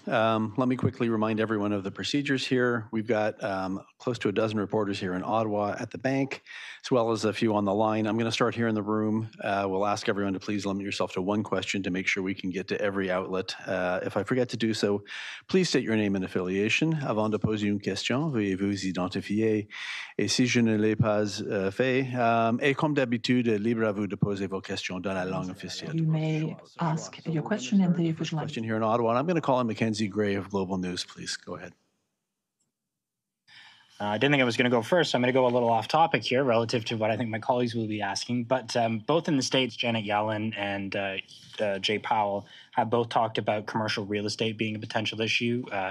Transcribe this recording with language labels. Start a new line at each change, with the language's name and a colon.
English: Let me quickly remind everyone of the procedures here. We've got close to a dozen reporters here in Ottawa at the bank, as well as a few on the line. I'm going to start here in the room. We'll ask everyone to please limit yourself to one question to make sure we can get to every outlet. If I forget to do so, please state your name and affiliation.
French: Avant de poser une question, veuillez vous identifier. Et si je ne l'ai pas fait, et comme d'habitude, libre à vous de poser vos questions dans la langue officielle.
English: You may ask your question in the official language. Here in Ottawa, and I'm going to call in Mackenzie Gray of Global News. Please go ahead. I didn't think I was going to go first, so I'm going to go a little off topic here relative to what I think my colleagues will be asking. But both in the States, Janet Yellen and Jay Powell have both talked about commercial real estate being a potential issue.